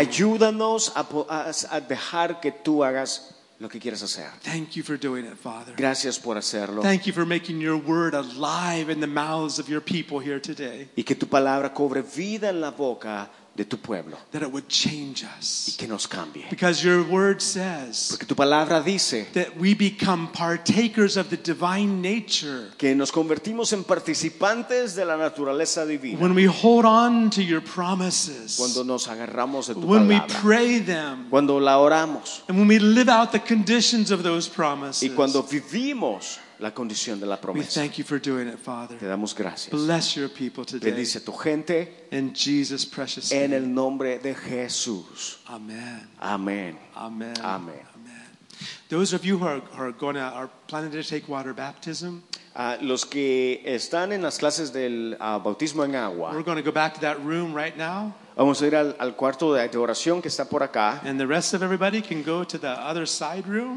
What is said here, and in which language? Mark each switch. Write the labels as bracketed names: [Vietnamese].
[Spanish] Ayúdanos a dejar que tú hagas lo que quieres hacer. [English] Thank you for doing it, Father. [Spanish] Gracias por hacerlo. [English] Thank you for making your word alive in the mouths of your people here today. [Spanish] Y que tu palabra cobre vida en la boca de tu pueblo. [English] That it would change us. [Spanish] Y que nos cambie. [English] Because your word says. [Spanish] Porque tu palabra dice. [English] That we become partakers of the divine nature. [Spanish] Que nos convertimos en participantes de la naturaleza divina. [English] When we hold on to your promises. [Spanish] Cuando nos agarramos de tu [English] when [Spanish] palabra. [English] When we pray them. [Spanish] Cuando la oramos. [English] And when we live out the conditions of those promises. [Spanish] Y cuando vivimos la condición de la promesa. [English] We thank you for doing it, Father. [Spanish] Te damos gracias. [English] Bless your people today. [Spanish] Bendice a tu gente. [English] In Jesus' precious name. [Spanish] En el nombre de Jesús. Amen. Amen. Amen. Amen. Amen. [English] Those of you who are planning to take water baptism. [Spanish] Los que están en las clases del bautismo en agua. [English] We're going to go back to that room right now. [Spanish] Vamos a ir al cuarto de oración que está por acá. [English] And the rest of everybody can go to the other side room.